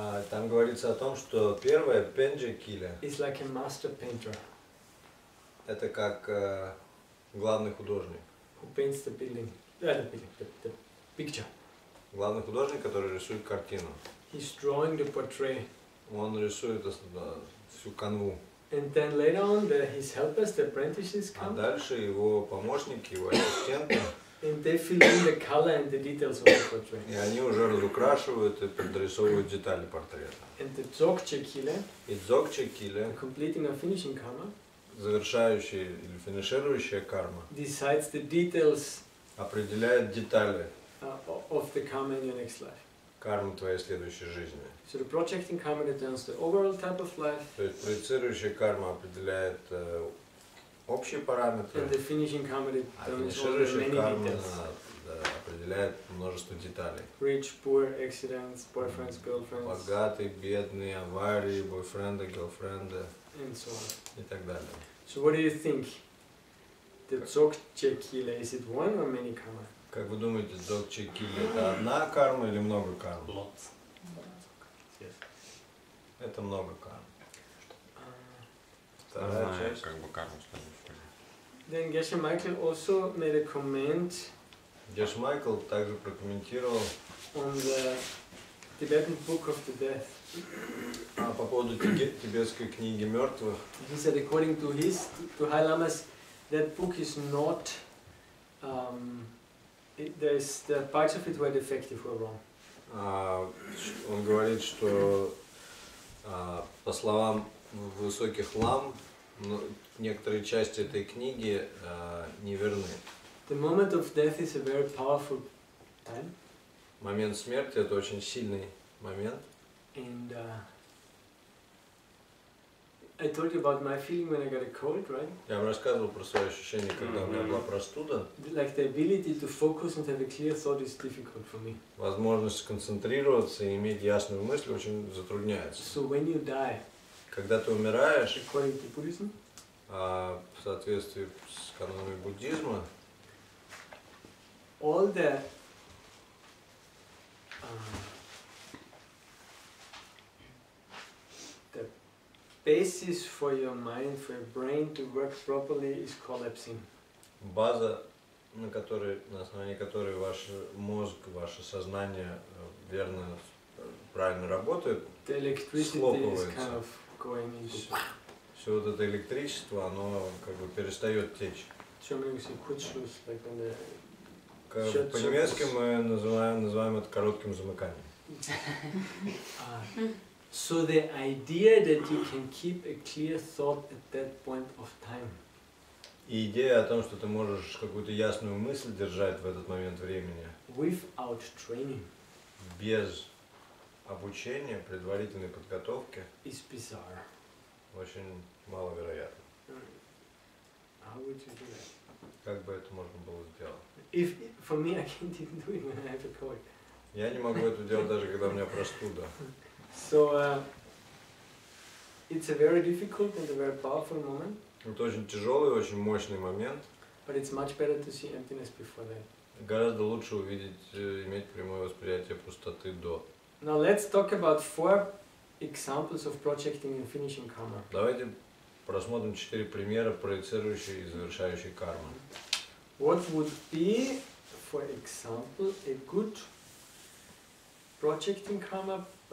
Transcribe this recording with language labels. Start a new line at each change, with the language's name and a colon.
Russian: Там говорится о том, что первое Penje Kili.
English: Is like a master painter.
Russian: Это как главный художник.
English: Who paints the building? The picture.
Russian: Главный художник, который рисует картину.
English: He's drawing the portrait.
Russian: Он рисует всю канву.
English: And then later on, his helpers, the apprentices come.
Russian: А дальше его помощники, его ассистенты. И они уже разукрашивают и подрисовывают детали портрета. И дзогче-киле,
English: completing and finishing karma,
Russian: завершающая или финиширующая карма,
English: decides the details,
Russian: определяет детали
English: of the karma in your next life.
Russian: Карму твоей следующей жизни.
English: So the projecting karma determines the overall type of life.
Russian: То есть проецирующая карма определяет общие параметры.
English: And the finishing karma determines all the many details.
Russian: Определяет множество деталей.
English: Rich, poor, accidents, boyfriends, girlfriends.
Russian: Богатые, бедные, аварии, бойфренды,
English: girlfriends. And so on.
Russian: И так далее.
English: So what do you think? The dzogchen-kile, is it one or many karma?
Russian: Как вы думаете, дзогче-киле это одна карма или много карм?
English: Lots.
Russian: Это много карм. Вторая знаю, часть. Как бы карму ставить.
English: Then Geshe Michael also made a comment. Geshe Michael
Russian: также прокомментировал.
English: On the Tibetan Book of the Death.
Russian: А по поводу тибетской книги мертвых.
English: He said according to his, to High Lama's, that book is not the parts of it were defective or wrong.
Russian: Он говорит, что по словам высоких лам, некоторые части этой книги неверны.
English: The moment of death is a very powerful time.
Russian: Момент смерти это очень сильный момент.
English: And I told you about my feeling when I got a cold, right?
Russian: Я вам рассказывал про свои ощущения, когда у меня была простуда.
English: Like the ability to focus and have a clear thought is difficult for me.
Russian: Возможность сконцентрироваться и иметь ясную мысль очень затрудняется.
English: So when you die,
Russian: когда ты умираешь,
English: according to Buddhism,
Russian: в соответствии с канонами буддизма,
English: all the basis for your mind, for your brain to work properly is collapsing.
Russian: База, на которой, на основании которой ваш мозг, ваше сознание верно, правильно работает,
English: the electricity
Russian: схлопывается.
English: Is kind of going into...
Russian: Все вот это электричество, оно как бы перестает течь. По-немецки мы называем это коротким замыканием.
English: So the idea that you can keep a clear thought at that point of time.
Russian: И идея о том, что ты можешь какую-то ясную мысль держать в этот момент времени.
English: Without training.
Russian: Без обучения, предварительной подготовки.
English: Is bizarre.
Russian: Очень маловероятно.
English: How would you do that?
Russian: Как бы это можно было сделать?
English: If for me, I can't even do it when I have a cold.
Russian: Я не могу это делать даже когда у меня простуда.
English: So it's a very difficult and a very powerful moment.
Russian: Это очень тяжелый, очень мощный момент.
English: But it's much better to see emptiness before that.
Russian: Гораздо лучше увидеть, иметь прямое восприятие пустоты до.
English: Now let's talk about four examples of projecting and finishing karma.
Russian: Давайте просмотрим четыре примера проецирующей и завершающей кармы.
English: What would be, for example, a good projecting karma?